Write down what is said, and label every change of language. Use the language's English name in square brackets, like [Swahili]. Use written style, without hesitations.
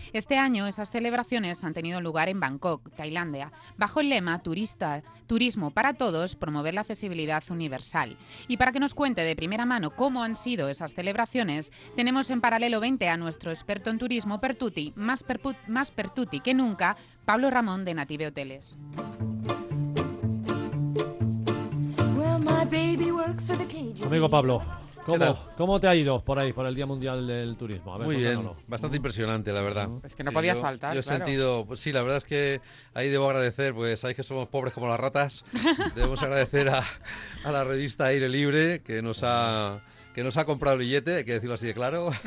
[Spanish] Este año esas celebraciones han tenido lugar en Bangkok, Tailandia, bajo el lema Turista, Turismo para Todos, promover la accesibilidad universal. Y para que nos cuente de primera mano cómo han sido esas celebraciones, tenemos en Paralelo 20 a nuestro experto en turismo Pertuti, más Pertuti que nunca, Pablo Ramón de Native Hoteles. [English] Well, my baby works for the cage. [Spanish] Amigo Pablo, ¿Cómo te ha ido por ahí, por el Día Mundial del Turismo? A ver, muy bien, bastante impresionante, la verdad. Es que no podías faltar, yo he sentido, pues, sí, la verdad es que ahí debo agradecer, pues sabéis que somos pobres como las ratas, debemos agradecer a la revista Aire Libre, que nos ha comprado el billete, hay que decirlo así de claro.